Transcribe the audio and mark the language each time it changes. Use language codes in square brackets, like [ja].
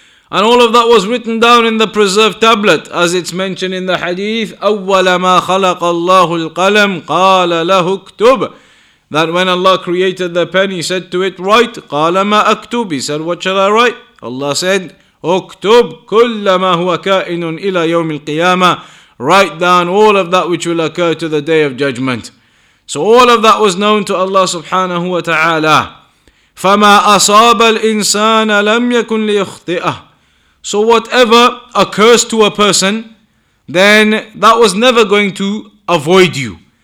[en] And all of that was written down in the preserved tablet, as it's mentioned in the hadith, [ar] أَوَّلَ مَا خَلَقَ اللَّهُ الْقَلَمُ قَالَ لَهُ اكْتُبْ, [en] that when Allah created the pen, He said to it, write. [ar] قَالَ مَا أَكْتُبْ, [en] He said, what shall I write? Allah said, [ar] اكتب كل ما هو كائن إلى يوم القيامة. [en] Write down all of that which will occur to the day of judgment. So all of that was known to Allah subhanahu wa ta'ala. [ar] فَمَا أَصَابَ الْإِنسَانَ لَمْ يَكُنْ لِيُخْطِئَهُ. [en] So whatever occurs to a person, then that was never going to avoid you.